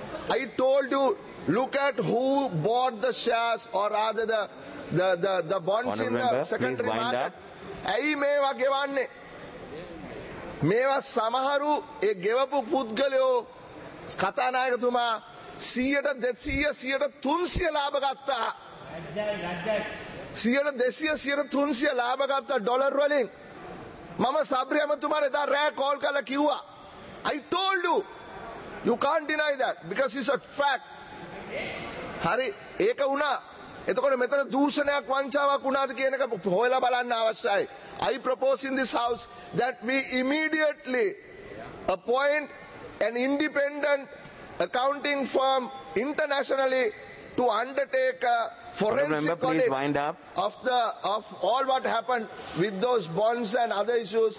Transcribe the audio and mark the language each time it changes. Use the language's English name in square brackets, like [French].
[English] I told you look at who bought the shares or rather the bonds in the secondary market. [Sinhala] ඇයි මේවා ගෙවන්නේ? මේවා සමහරු ඒ ගෙවපු පුද්ගලයෝ කතානායකතුමා 100%, 200%, 300% ලාභ ගත්තා. 100%, 200%, 300% ලාභ ගත්තා ඩොලර් වලින්. මම සබ්‍රි ඇමතුමාට එදා රෑ කෝල් කරලා කිව්වා [English] I told you you can't deny that because it's a fact. [Sinhala] හරි ඒක වුණා. එතකොට මෙතන දූෂණයක් වංචාවක් වුණාද කියන එක හොයලා බලන්න අවශ්‍යයි. [English] I propose in this house that we immediately appoint an independent accounting firm internationally to undertake a forensic audit of all what happened with those bonds and other issues.